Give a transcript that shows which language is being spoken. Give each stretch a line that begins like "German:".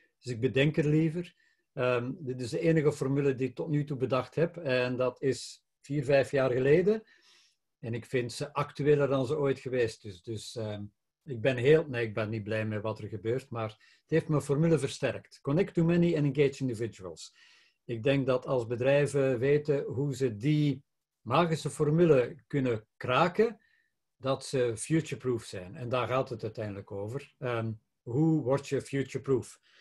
Dutch: Dus ik bedenk er liever. Dit is de enige formule die ik tot nu toe bedacht heb. En dat is 4, 5 jaar geleden. En ik vind ze actueler dan ze ooit geweest. Ik ben niet blij met wat er gebeurt. Maar het heeft mijn formule versterkt.
English: Connect to many and engage individuals.
Dutch: Ik denk dat als bedrijven weten hoe ze die magische formule kunnen kraken, dat ze futureproof zijn. En daar gaat het uiteindelijk over. Hoe word je futureproof?